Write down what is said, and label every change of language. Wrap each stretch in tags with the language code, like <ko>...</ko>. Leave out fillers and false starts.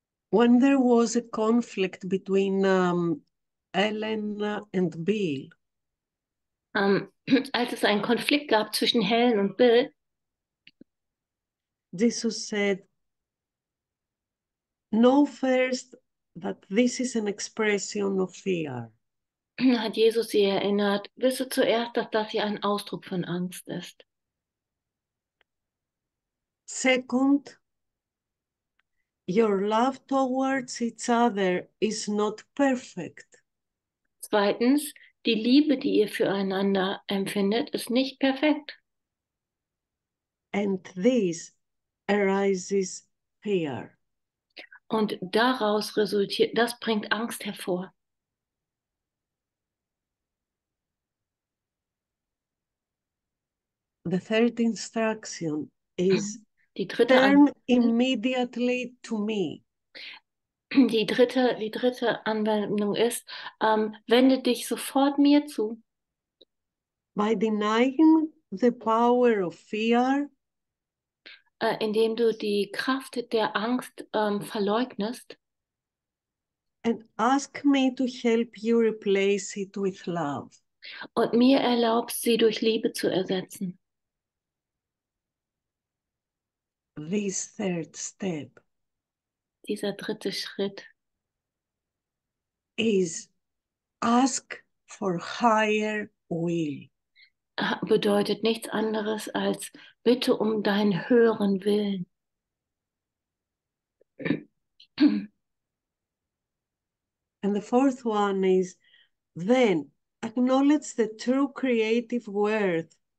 <en>When there was a conflict between Elena and Bill.</en> <de>Als es einen Konflikt gab zwischen Helen und Bill,</de> <en>Jesus said, know first that this is an expression of fear.</en> <de>Hat Jesus sie erinnert, wisse zuerst, dass das hier ein Ausdruck von Angst ist.</de> <en>Second, your love towards each other is not perfect.</en> <de>Zweitens, die Liebe, die ihr füreinander empfindet, ist nicht perfekt.</de> <en>And this arises fear.</en> <de>Und daraus resultiert, das bringt Angst hervor.</de> <en>The third instruction is</en> <de>Die dritte</de> <en>turn immediately to me.</en> <de>Die dritte Anwendung ist, wende dich sofort mir zu.</de> <en>By denying the power of fear,</en> <de>indem du die Kraft der Angst verleugnest.</de> <en>And ask me to help you replace it with love.</en> <de>Und mir erlaubst, sie durch Liebe zu ersetzen.</de> <en>This third step.</en> <de>Dieser dritte Schritt</de> <en>Is ask for higher will.</en> <de>bedeutet nichts anderes als bitte um deinen höheren Willen.</de> <en>And the fourth one is, then acknowledge the true creative worth.</en>